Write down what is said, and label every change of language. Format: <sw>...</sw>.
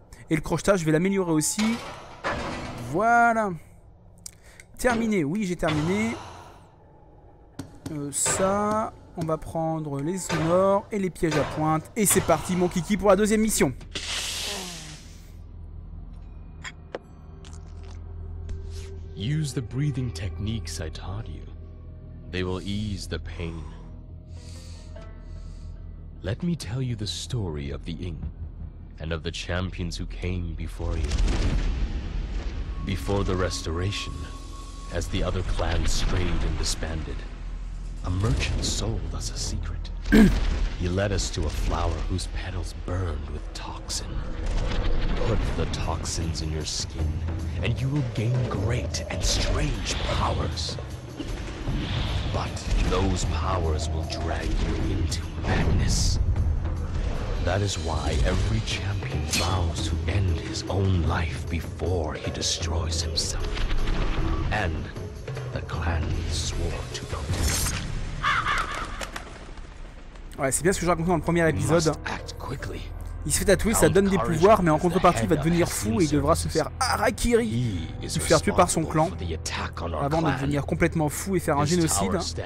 <fr>Et le crochetage, je vais l'améliorer aussi. Voilà. Terminé. Oui, j'ai terminé. Ça... On va prendre les sonores et les pièges à pointe. Et c'est parti, mon kiki, pour la deuxième mission.</fr> <en>Use the breathing techniques I taught you. They will ease the pain. Let me tell you the story of the Ink and of the champions who came before you. Before the restoration, as the other clans strayed and disbanded. A merchant sold us a secret. He led us to a flower whose petals burned with toxin. Put the toxins in your skin, and you will gain great and strange powers. But those powers will drag you into madness. That is why every champion vows to end his own life before he destroys himself. And the clan swore to protect.</en> <fr>Ouais, c'est bien ce que j'ai raconté dans le premier épisode. Il se fait tatouer, ça donne des pouvoirs, mais en contrepartie, il va devenir fou et il devra se faire harakiri, se faire tuer par son clan, avant de devenir complètement fou et faire un génocide.</fr>